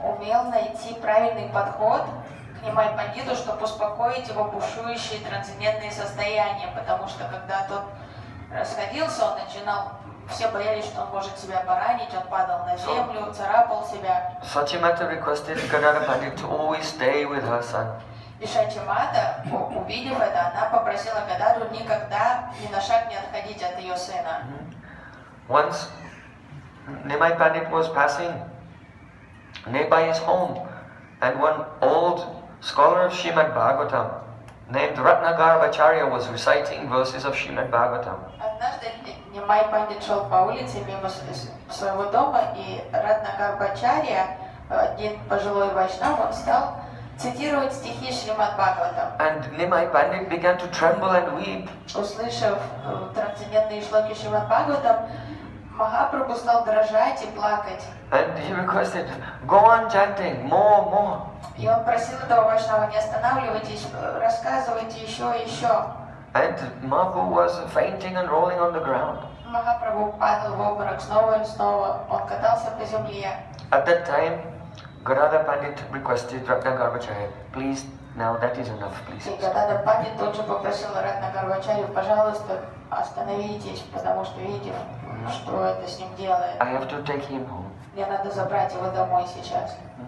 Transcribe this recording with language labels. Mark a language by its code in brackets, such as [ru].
[ru] Умел найти правильный подход к Нимай Пандиту, чтобы успокоить его бушующие трансцендентные состояния, потому что когда тот расходился, он начинал, все боялись, что он может себя поранить, он падал на землю, царапал себя. [en] Сачимата requested Gadadhar Pandit to always stay with her son. [ru] И Сачимата, увидев это, она попросила Гададу никогда ни на шаг не отходить от ее сына. [en] Once Nimai Pandit was passing nearby his home, and one old scholar of Srimad Bhagavatam named Ratnagarbhacharya was reciting verses of Srimad Bhagavatam. [ru] Nimai Pandit шел по улице мимо своего дома, и Ратнагарбхачарья, один пожилой вайшнав, он стал цитировать стихи Шримад Бхагаватам. [en] And Nimai Pandit began to tremble and weep. [ru] Услышав трансцендентные шлоки Шримад Бхагаватам, Махапрабху стал дрожать и плакать. [en] And he requested, go on chanting, more, more. [ru] И он просил этого вайшнава, не останавливайтесь, рассказывайте еще и еще. [en] And Mahaprabhu was fainting and rolling on the ground. [ru] Махапрабху падал в обморок снова и снова. Он катался по земле. [en] At that time, Gadadhar Pandit requested Ratnagarbhacharya, please, now that is enough, please. [ru] И Gadadhar Pandit тут же попросил Ратнагарбхачарью, пожалуйста, остановитесь, потому что видите, что это с ним делает. [en] I have to take him home. [ru] Мне надо забрать его домой сейчас.